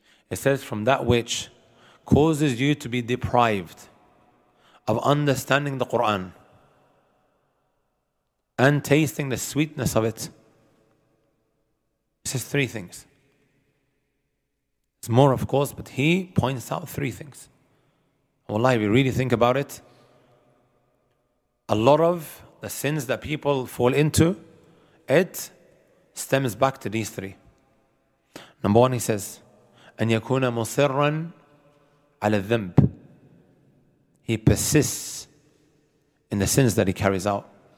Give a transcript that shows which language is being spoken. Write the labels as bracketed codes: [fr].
[en] It says, from that which causes you to be deprived of understanding the Qur'an and tasting the sweetness of it. It says three things. It's more, of course, but he points out three things. Wallahi, if you really think about it, a lot of the sins that people fall into, it stems back to these three. Number one, he says, [ar] أن يكون مصرًا على الذنب. [en] He persists in the sins that he carries out.